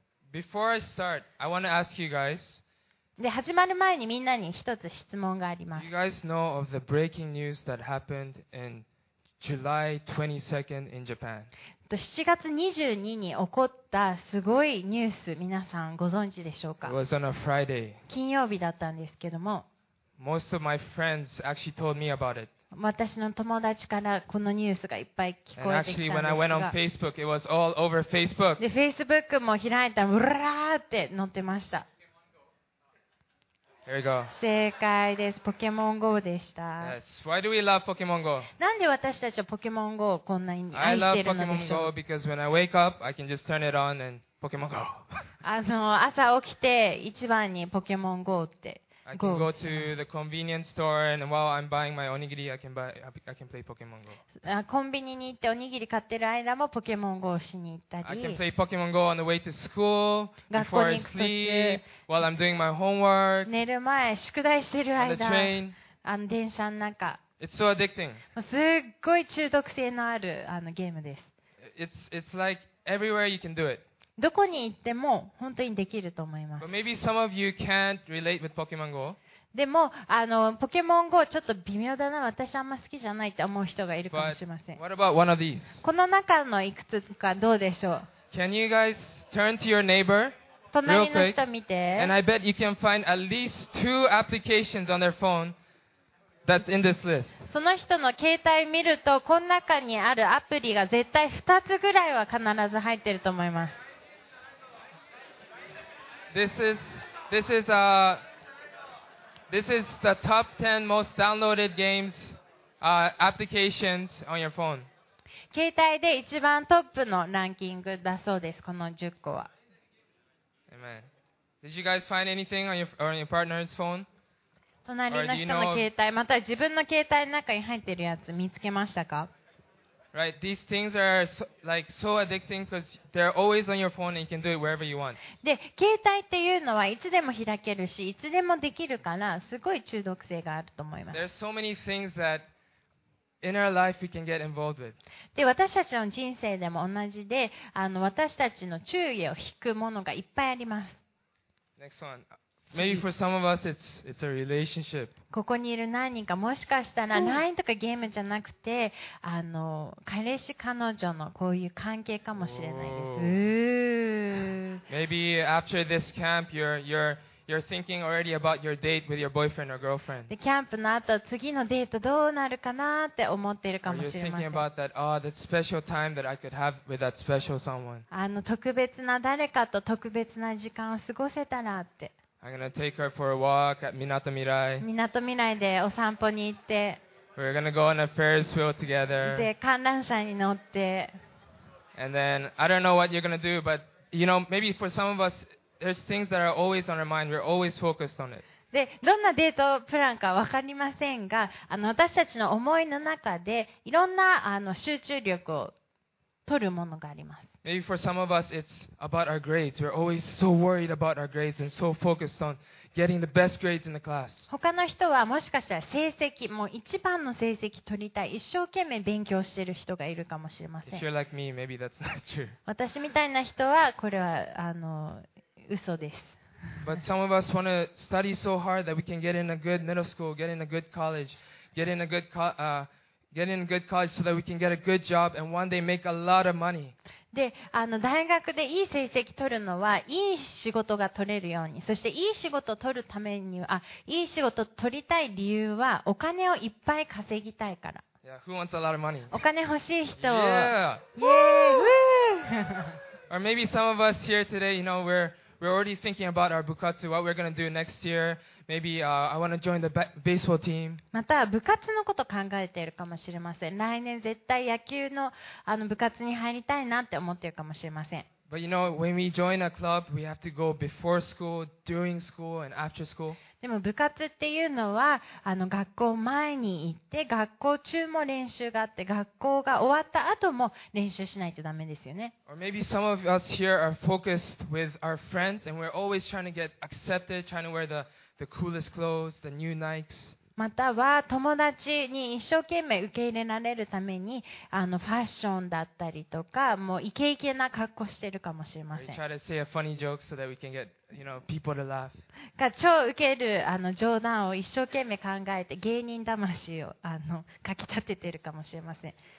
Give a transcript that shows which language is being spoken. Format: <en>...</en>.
<en>Before I start, I want to ask you guys.</en> <ja>で始まる前にみんなに一つ質問があります。</ja> <en>You guys know of the breaking news that happened in July 22nd in Japan?</en> <ja>7月22日に起こったすごいニュース、皆さんご存知でしょうか</ja> <en>？It was on a Friday.</en> <ja>金曜日だったんですけども。</ja> <en>Most of my friends actually told me about it.</en> <ja>私の友達からこのニュースがいっぱい聞こえてきたんですが</ja> <en>Facebook, it was all over Facebook.</en> <ja>で Facebook も開いたらうらーって載ってました</ja> <en>Here we go.</en> <ja>正解ですポケモン GO でした、</ja> <en>yes. Why do we love Pokemon Go?</en> <ja>なんで私たちはポケモン GO をこんなに愛してるのでしょう</ja> <en>I love Pokemon Go because when I wake up I can just turn it on and Pokemon Go</en> <ja>朝起きて一番にポケモン GO って</ja> <en>I can go to the convenience store and while I'm buying my onigiri, I can play Pokemon Go.</en> <ja>コンビニに行っておにぎり買ってる間もポケモン GO しに行ったり。</ja> <en>I can play Pokemon Go on the way to school, before I sleep, while I'm doing my homework.</en> <ja>寝る前、宿題してる間。</ja> <en>On the train.</en> <ja>電車の中。</ja> <en>It's so addicting.</en> <ja>すっごい中毒性のあるゲームです。</ja> <en>It's like everywhere you can do it.</en> <ja>どこに行っても本当にできると思います。</ja> <en>But maybe some of you can't relate with Pokemon Go.</en> <ja>でもポケモン GO ちょっと微妙だな、私あんま好きじゃないって思う人がいるかもしれません。</ja> <en>But what about one of these?</en> <ja>この中のいくつかどうでしょう</ja> <en>Can you guys turn to your neighbor? And I bet you can find at least two applications on their phone that's in this list.</en> <ja>その人の携帯見るとこの中にあるアプリが絶対2つぐらいは必ず入ってると思います。</ja> <en>This is the top 10 most downloaded games, applications on your phone.</en> <ja>携帯で一番トップのランキングだそうです、この10個は。</ja> <en>Amen. Did you guys find anything on your partner's phone?</en> <ja>隣の人の携帯、また自分の携帯の中に入ってるやつ見つけましたか?</ja> <en>Right, these things are so, like so addicting because they're always on your phone and you can do it wherever you want.</en> <ja>で、携帯っていうのはいつでも開けるし、いつでもできるから、すごい中毒性があると思います。</ja> <en>There's so many things that in our life we can get involved with.</en> <ja>で、私たちの人生でも同じで、私たちの注意を引くものがいっぱいあります。</ja> <en>Next one. Maybe for some of us, it's a relationship.</en> <ja>ここにいる何人かもしかしたら LINE とかゲームじゃなくて彼氏彼女のこういう関係かもしれないです。</ja> <en>Maybe after this camp, you're thinking already about your date with your boyfriend or girlfriend.</en> <ja>でキャンプの後次のデートどうなるかなって思っているかもしれません。</ja> <en>Or you're thinking about that, oh, that special time that I could have with that special someone.</en> <ja>特別な誰かと特別な時間を過ごせたらって。</ja> <en>I'm gonna take her for a walk at Minatomirai.</en> <ja>Minatomirai でお散歩に行って。</ja> <en>We're gonna go on a Ferris wheel together.</en> <ja>で、観覧車に乗って。</ja> <en>And then I don't know what you're gonna do, but you know, maybe for some of us, there's things that are always on our mind. We're always focused on it.</en> <ja>で、どんなデートプランかわかりませんが、私たちの思いの中でいろんな集中力を取るものがあります。</ja> <en>Maybe for some of us, it's about our grades. We're always so worried about our grades and so focused on getting the best grades in the class.</en> <ja>他の人はもしかしたら成績、もう一番の成績取りたい、一生懸命勉強している人がいるかもしれません。</ja> <en>If you're like me, maybe that's not true.</en> <ja>私みたいな人はこれは嘘です。</ja> <en>But some of us want to study so hard that we can get in a good middle school, get in a good college, get in a good college so that we can get a good job and one day make a lot of money.</en> <ja>で、大学でいい成績取るのはいい仕事が取れるように、そしていい仕事を取るためにはいい仕事を取りたい理由はお金をいっぱい稼ぎたいから。</ja> <en>Yeah, who wants a lot of money?</en> <ja>お金欲しい人。</ja> <en>Yeah. Yeah. Or maybe some of us here today, you know, we're already thinking about our bukatsu, what we're gonna do next year. Maybe I want to join the baseball team.</en> <ja>また部活のこと考えているかもしれません。来年絶対野球の部活に入りたいなって思っているかもしれません。</ja> <en>But you know, when we join a club, we have to go before school, during school, and after school.</en> <ja>でも部活っていうのは学校前に行って、学校中も練習があって、学校が終わった後も練習しないとダメですよね。</ja> <en>Or maybe some of us here are focused with our friends, and we're always trying to get accepted, trying to wear the coolest clothes, the new Nikes.</en> <ja>または友達に一生懸命受け入れられるためにファッションだったりとかもうイケイケな格好してるかもしれません。</ja> <en>We try to say a funny joke so that we can get, you know, people to laugh.</en> <ja>超受ける冗談を一生懸命考えて芸人魂をかき立ててるかもしれません。</ja>